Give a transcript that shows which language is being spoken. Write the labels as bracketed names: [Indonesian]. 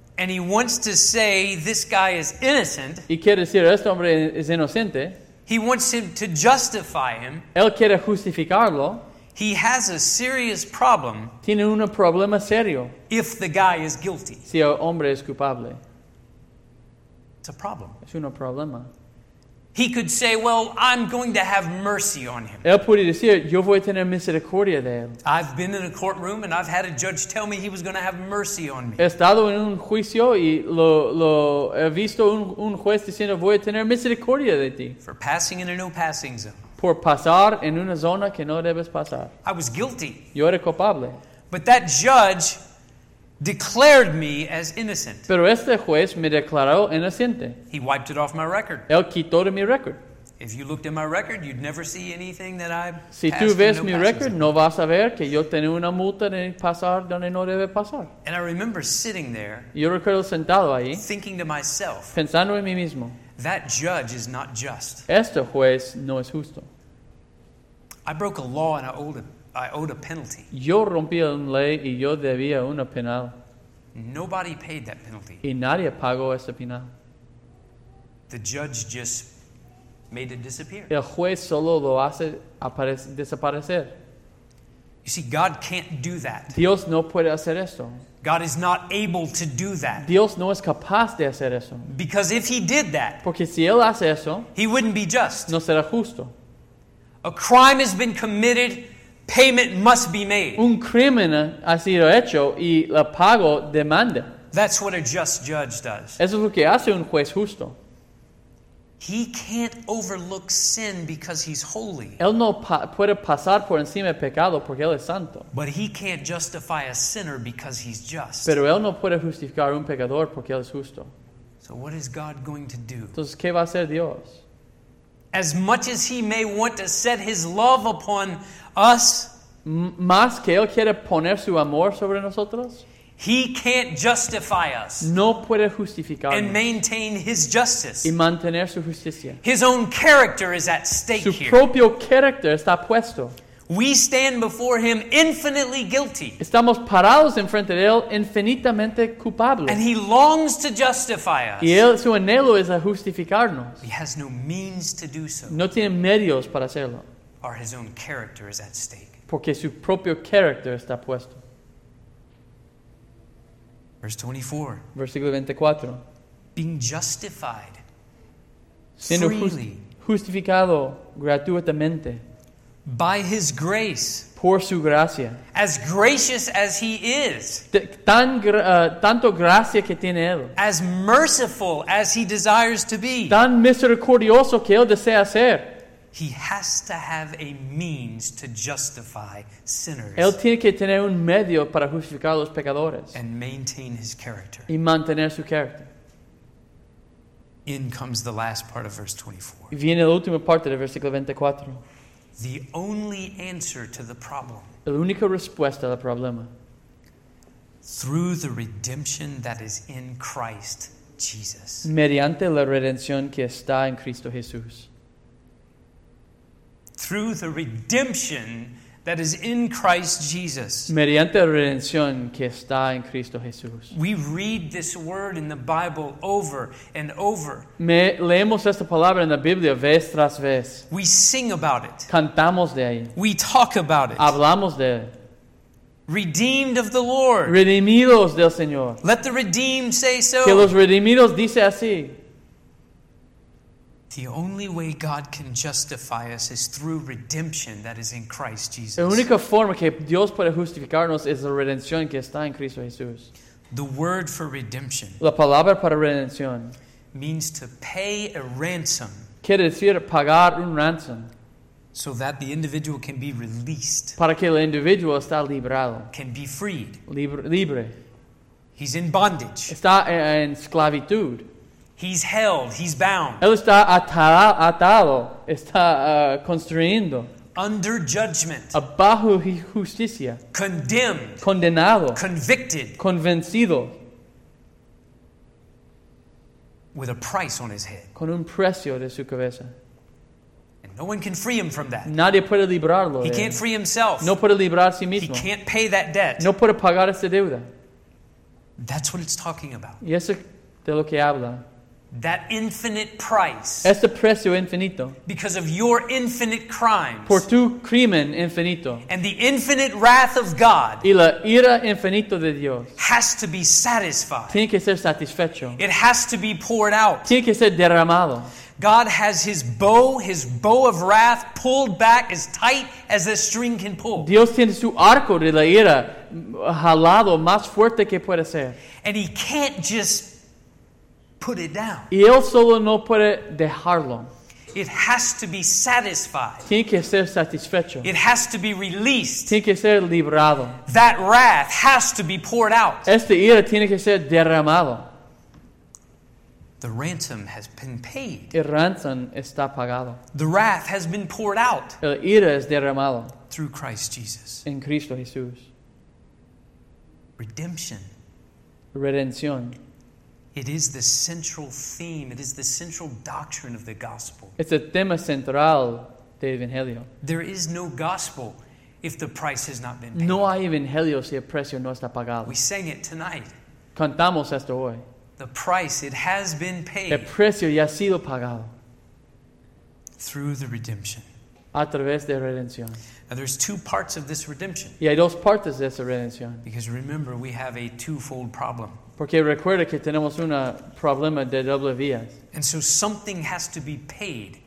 [English] And he wants to say this guy is innocent. [Spanish] Y quiere decir, este hombre es inocente. [English] He wants him to justify him. [Spanish] Él quiere justificarlo. [English] He has a serious problem. [Spanish] Tiene un problema serio. [English] If the guy is guilty. [Spanish] Si el hombre es culpable. [English] It's a problem. [Spanish] Es un problema. [English] He could say, well, I'm going to have mercy on him. [Spanish] Él puede decir, yo voy a tener misericordia de él. [English] I've been in a courtroom and I've had a judge tell me he was going to have mercy on me. [Spanish] He estado en un juicio y lo he visto un juez diciendo, voy a tener misericordia de ti. [English] For passing in a no passing zone. [Spanish] Por pasar en una zona que no debes pasar. [English] I was guilty. [Spanish] Yo era culpable. [English] But that judge declared me as innocent. [Spanish] Pero este juez me declaró inocente. [English] He wiped it off my record. [Spanish] Él quitó de mi record. [English] If you looked at my record, you'd never see anything that I've passed. [Spanish] Si tú ves mi record, no vas a ver que yo tenía una multa de pasar donde no debe pasar. [English] And I remember sitting there. [Spanish] Yo recuerdo sentado ahí. [English] Thinking to myself. [Spanish] Pensando en mí mismo. [English] That judge is not just. [Spanish] Este juez no es justo. [English] I broke a law and I owed a penalty. [Spanish] Yo rompí una ley y yo debía una penal. [English] Nobody paid that penalty. [Spanish] Y nadie pagó ese penal. [English] The judge just made it disappear. [Spanish] El juez solo lo hace desaparecer. [English] You see, God can't do that. [Spanish] Dios no puede hacer esto. [English] God is not able to do that. [Spanish] Dios no es capaz de hacer eso. [English] Because if he did that, [Spanish] porque si él hace eso, [English] he wouldn't be just. [Spanish] No será justo. [English] A crime has been committed, payment must be made. [Spanish] Un crimen ha sido hecho y el pago demanda. [English] That's what a just judge does. [Spanish] Eso es lo que hace un juez justo. [English] He can't overlook sin because he's holy. [Spanish] Él no puede pasar por encima del pecado porque él es santo. [English] But he can't justify a sinner because he's just. [Spanish] Pero él no puede justificar un pecador porque él es justo. [English] So what is God going to do? [Spanish] Entonces, ¿qué va a hacer Dios? [English] As much as he may want to set his love upon us, [Spanish] más que él quiere poner su amor sobre nosotros, [English] he can't justify us. [Spanish] No puede justificarnos. [English] And maintain his justice. [Spanish] Y mantener su justicia. [English] His own character is at stake [Spanish] here. Su propio carácter está puesto. [English] We stand before him infinitely guilty. [Spanish] Estamos parados enfrente de él infinitamente culpables. [English] And he longs to justify us. [Spanish] Y él, su anhelo es a justificarnos. [English] He has no means to do so. [Spanish] No tiene medios para hacerlo. [English] Or his own character is at stake. [Spanish] Porque su propio carácter está puesto. [English] Verse 24. [Spanish] Versículo 24. [English] Being justified. [Spanish] Siendo [English] freely. [Spanish] Justificado gratuitamente. [English] By his grace. [Spanish] Por su gracia. [English] As gracious as he is. [Spanish] Tanto gracia que tiene él. [English] As merciful as he desires to be. [Spanish] Tan misericordioso que él desea ser. [English] He has to have a means to justify sinners. [Spanish] Él tiene que tener un medio para justificar a los pecadores. [English] And maintain his character. [Spanish] Y mantener su carácter. [English] In comes the last part of verse 24. [Spanish] Viene la última parte del versículo 24. [English] The only answer to the problem. [Spanish] La única respuesta al problema. [English] Through the redemption that is in Christ Jesus. [Spanish] Mediante la redención que está en Cristo Jesús. [English] Through the redemption that is in Christ Jesus. [Spanish] Mediante la redención que está en Cristo Jesús. [English] We read this word in the Bible over and over. [Spanish] Leemos esta palabra en la Biblia vez tras vez. [English] We sing about it. [Spanish] Cantamos de ahí. [English] We talk about it. [Spanish] Hablamos de él. [English] Redeemed of the Lord. [Spanish] Redimidos del Señor. [English] Let the redeemed say so. [Spanish] Que los redimidos dice así. [English] The only way God can justify us is through redemption that is in Christ Jesus. [Spanish] La única forma que Dios puede justificarnos es la redención que está en Cristo Jesús. [English] The word for redemption. [Spanish] La palabra para redención. [English] Means to pay a ransom. [Spanish] Quiere decir pagar un ransom. [English] So that the individual can be released. [Spanish] Para que el individuo está librado. [English] Can be freed. [Spanish] Libre. [English] He's in bondage. [Spanish] Está en esclavitud. [English] He's held, he's bound. [Spanish] Él está atado, está constriendo. [English] Under judgment. [Spanish] Bajo justicia. [English] Condemned. [Spanish] Condenado. [English] Convicted. [Spanish] Convencido. [English] With a price on his head. [Spanish] Con un precio de su cabeza. [English] And no one can free him from that. [Spanish] Nadie puede librarlo. [English] He can't free himself. [Spanish] No puede librar a sí mismo. [English] He can't pay that debt. [Spanish] No puede pagar esa deuda. [English] That's what it's talking about. [Spanish] Y eso de lo que habla. [English] That infinite price. [Spanish] Este precio infinito. [English] Because of your infinite crimes. [Spanish] Por tu crimen infinito. [English] And the infinite wrath of God. [Spanish] Y la ira infinito de Dios. [English] Has to be satisfied. [Spanish] Tiene que ser satisfecho. [English] It has to be poured out. [Spanish] Tiene que ser derramado. [English] God has his bow of wrath pulled back as tight as a string can pull. [Spanish] Dios tiene su arco de la ira jalado más fuerte que puede ser. [English] And he can't just put it down. [Spanish] Y él solo no puede dejarlo. [English] It has to be satisfied. [Spanish] Tiene que ser satisfecho. [English] It has to be released. [Spanish] Tiene que ser librado. [English] That wrath has to be poured out. [Spanish] Esta ira tiene que ser derramado. [English] The ransom has been paid. [Spanish] El ransom está pagado. [English] The wrath has been poured out. [Spanish] El ira es derramado. [English] Through Christ Jesus. [Spanish] En Cristo Jesús. [English] Redemption. [Spanish] Redención. [English] It is the central theme. It is the central doctrine of the gospel. [Spanish] Es el tema central del evangelio. [English] There is no gospel if the price has not been paid. [Spanish] No hay evangelio si el precio no está pagado. [English] We sang it tonight. [Spanish] Cantamos esto hoy. [English] The price, it has been paid. [Spanish] El precio ya ha sido pagado. [English] Through the redemption. [Spanish] A través de redención. [English] Now there's two parts of this redemption. [Spanish] Y hay dos partes de esa redención. [English] Because remember, we have a twofold problem. [Spanish] Porque recuerda que tenemos un problema de doble vía. [English] And so something has to be paid.